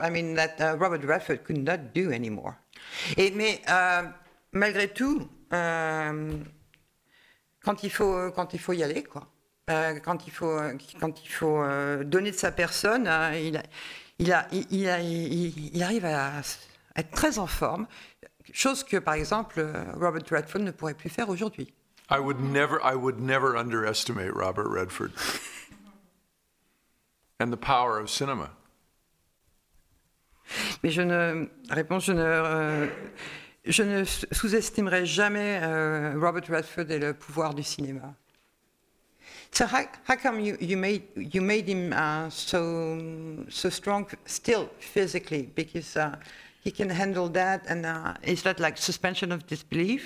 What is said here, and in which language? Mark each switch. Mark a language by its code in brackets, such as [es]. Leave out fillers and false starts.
[en] I mean, that Robert Redford could not do anymore. [fr] Et mais malgré tout, quand il faut y aller, quoi. Quand il faut donner de sa personne, il arrive à être très en forme. Chose que, par exemple, Robert Redford ne pourrait plus faire aujourd'hui. [en] I would never underestimate Robert Redford and the power of cinema. [fr] Mais je ne sous-estimerai jamais Robert Redford et le pouvoir du cinéma. [en] So how come you made him so strong still physically? Because he can handle that, and is that like suspension of disbelief?